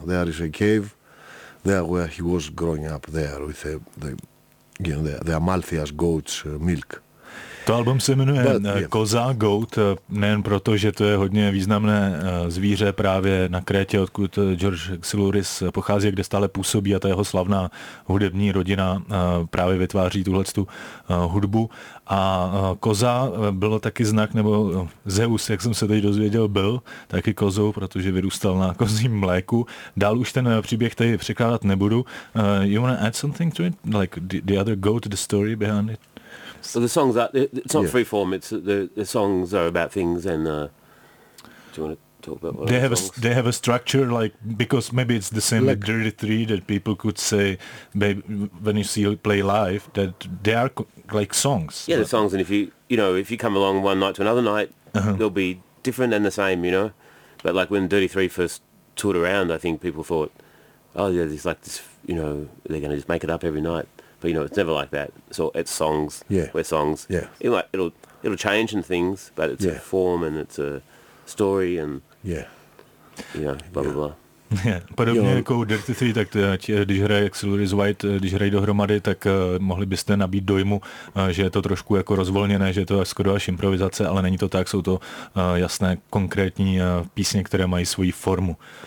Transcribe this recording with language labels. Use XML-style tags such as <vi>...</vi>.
<en>There is a cave, there where he was growing up there with the Amalthea's goat's milk.</en> <cs>To album se jmenuje Koza, Goat, nejen proto, že to je hodně významné zvíře právě na Krétě, odkud George Xylouris pochází, kde stále působí a ta jeho slavná hudební rodina právě vytváří tuhletu hudbu. A koza bylo taky znak, nebo Zeus, jak jsem se teď dozvěděl, byl taky kozou, protože vyrůstal na kozím mléku. Dál už ten příběh tady překládat nebudu.</cs> <en>You want to add something to it? Like the other goat, the story behind it? So the songs are—it's not free form. It's the songs are about things. And do you want to talk about what they have? Songs? They have a structure, like because maybe it's the same like Dirty Three that people could say, maybe when you see play live, that they are like songs. Yeah, the songs, and if you come along one night to another night, uh-huh. they'll be different and the same, you know. But like when Dirty Three first toured around, I think people thought, oh yeah, there's like this, you know, they're going to just make it up every night. But, you know, it's never like that. So it's songs. Yeah. We're songs. Yeah. You know, like, it'll change and things, but it's a form and it's a story and, blah, blah, blah. Yeah.</en> <cs>Podobně jako Dirty Three, tak když hraje Xylory White, když hrají dohromady, tak mohli byste nabít dojmu, že je to trošku jako rozvolněné, že je to skoro až improvizace, ale není to tak, jsou to jasné, konkrétní písně, které mají svoji formu.</cs>